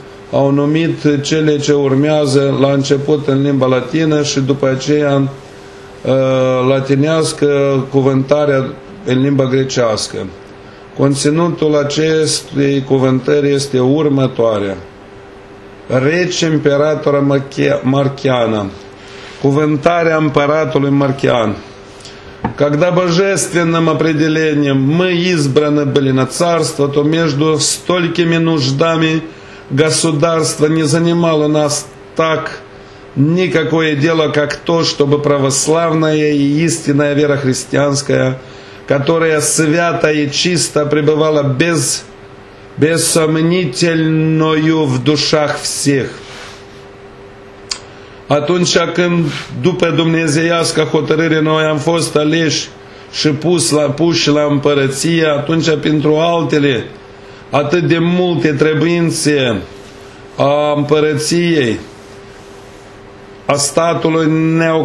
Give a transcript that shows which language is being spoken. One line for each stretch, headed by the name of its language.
Romanian: au numit cele ce urmează la început în limba latină și după aceea latinească cuvântarea în limba grecească. Conținutul acestei cuvântări este următoare.
Russian: Rece Imperatora Marchiana.
Romanian: Cuvântarea împăratului Marchian.
Russian: Когда божественным определением мы избраны были на царство, то между столькими нуждами государство не занимало нас так никакое дело, как то, чтобы православная и истинная вера христианская, которая свято и чисто пребывала бессомнительною в душах всех.
Romanian: Atunci când, după dumnezeiască hotărâre, noi am fost aleși și puși la împărăție, atunci pentru altele atât de multe trebuințe a împărăției, a statului, nu